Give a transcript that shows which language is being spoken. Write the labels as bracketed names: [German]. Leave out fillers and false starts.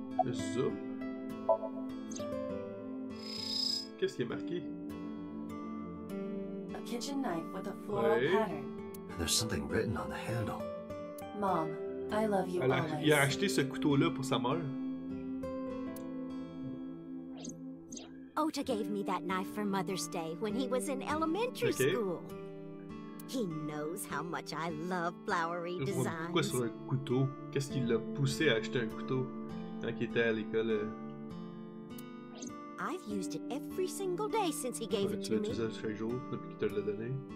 [French] Ça. Qu'est-ce qui est marqué? [English] A kitchen knife with a floral pattern. There's something written on the handle. Mom, I love you always. [French] Il a acheté ce couteau-là pour sa mère. [English] Ota gave me that knife for Mother's Day when he was in elementary school. He knows how much I love flowery designs. [French] Pourquoi sur un couteau? Qu'est-ce qui l'a poussé à acheter un couteau quand il était à l'école? [English] I've used it every single day since he gave it to me. [French] Tu l'as utilisé chaque jour depuis qu'il te l'a donné?